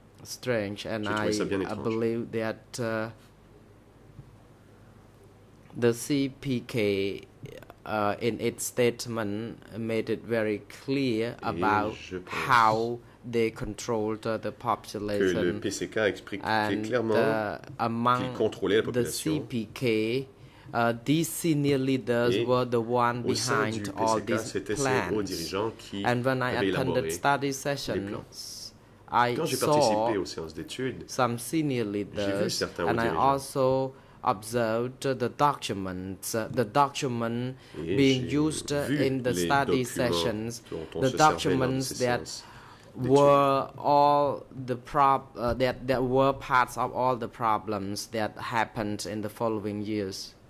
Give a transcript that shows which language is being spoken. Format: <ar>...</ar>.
<en>strange, and I believe that the CPK in its statement made it very clear about how they controlled the population.</en> <fr>Que le PCK a expliqué clairement qu'il contrôlait la population.</fr> <en>The CPK, these senior leaders</en> <fr>et</fr> <en>were the one behind</en> <fr>PCK,</fr> <en>all these plans. And when I attended study sessions, I saw some senior leaders, and I also observed the documents being used in the study sessions, the documents that were all the that were parts of all the problems that happened in the following years.</en>